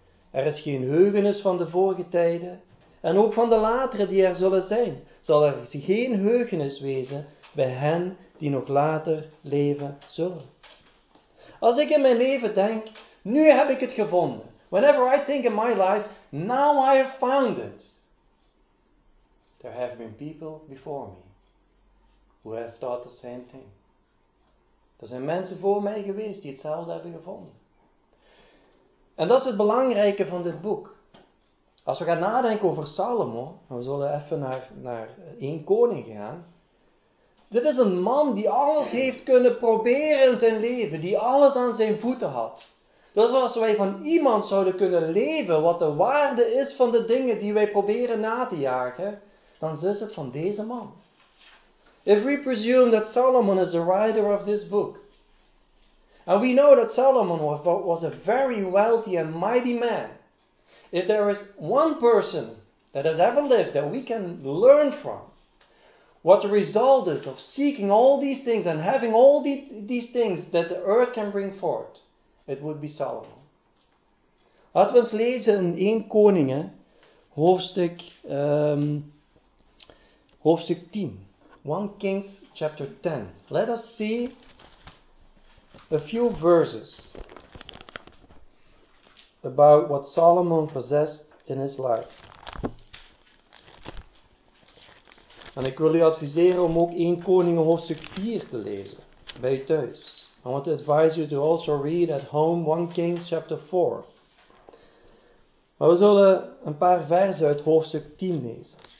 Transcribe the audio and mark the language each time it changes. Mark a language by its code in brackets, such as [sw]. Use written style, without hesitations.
[nl] Er is geen heugenis van de vorige tijden. En ook van de latere die er zullen zijn, zal er geen heugenis wezen bij hen die nog later leven zullen. Als ik in mijn leven denk, nu heb ik het gevonden. [en] Whenever I think in my life, now I have found it. There have been people before me who have thought the same thing. [nl] Er zijn mensen voor mij geweest die hetzelfde hebben gevonden. En dat is het belangrijke van dit boek. Als we gaan nadenken over Salomo, en we zullen even naar 1 Koning gaan. Dit is een man die alles heeft kunnen proberen in zijn leven, die alles aan zijn voeten had. Dus als wij van iemand zouden kunnen leven wat de waarde is van de dingen die wij proberen na te jagen, dan is het van deze man. [en] If we presume that Solomon is the writer of this book, and we know that Solomon was a very wealthy and mighty man, if there is one person that has ever lived that we can learn from, what the result is of seeking all these things and having all these things that the earth can bring forth, it would be Solomon. [nl] Laten we eens lezen in 1 Koningen, hoofdstuk 10. [en] 1 Kings, chapter 10. Let us see a few verses about what Solomon possessed in his life. [nl] En ik wil u adviseren om ook 1 Koningen hoofdstuk 4 te lezen, bij u thuis. [en] I want to advise you to also read at home 1 Kings chapter 4. [nl] Maar we zullen een paar versen uit hoofdstuk 10 lezen.